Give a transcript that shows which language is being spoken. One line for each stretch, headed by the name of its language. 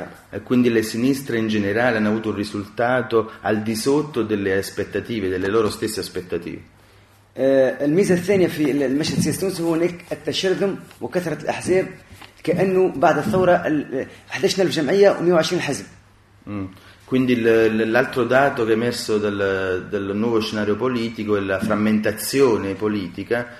Italian: E quindi le sinistre in generale hanno avuto un risultato al di sotto delle aspettative, delle loro stesse aspettative.
Arabic: Il ميزة الثانية في المشهد السياسي التونسي هو هناك التشرذم وكثرة الأحزاب كأنه بعد الثورة 11000 جمعية و 120 حزب.
Italian: Quindi l'altro dato che è emerso dal nuovo scenario politico è la frammentazione politica.